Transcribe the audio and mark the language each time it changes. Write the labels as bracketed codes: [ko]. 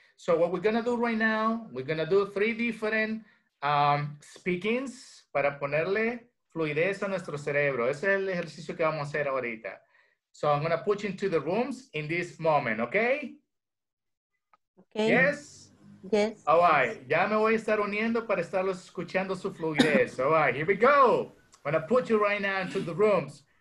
[en] So what we're going to do right now, we're going to do three different speakings [es] para ponerle fluidez a nuestro cerebro. Ese es el ejercicio que vamos a hacer ahorita. [en] So I'm gonna put you into the rooms in this moment, okay? Okay. Yes? Yes. All right. [es] Ya me voy a estar uniendo para estarlos escuchando su fluidez. [en] All right, here we go. I'm gonna put you right now into the rooms.